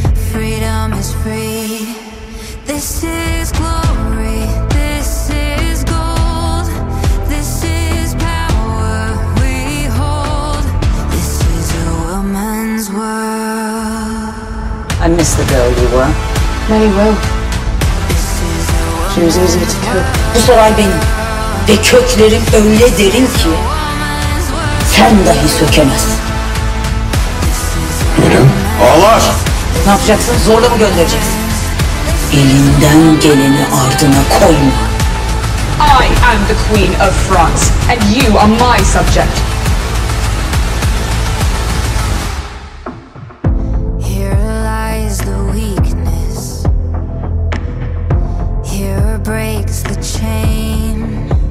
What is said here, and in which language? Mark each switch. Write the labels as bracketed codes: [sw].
[en] Freedom is free. This is glory. This is gold. This is power we hold. This is a woman's world. I miss the girl you were. Very well. She was easy to kill. [tr] Bu saray benim. Ve köklerim öyle derin ki sen dahi sökemezsin. Hürrem, ağlar! Ne yapacaksın? Zorla mı göndereceksin? Elinden geleni ardına koyma. [en] I am the queen of France and you are my subject. Here lies the weakness. Here breaks the chain.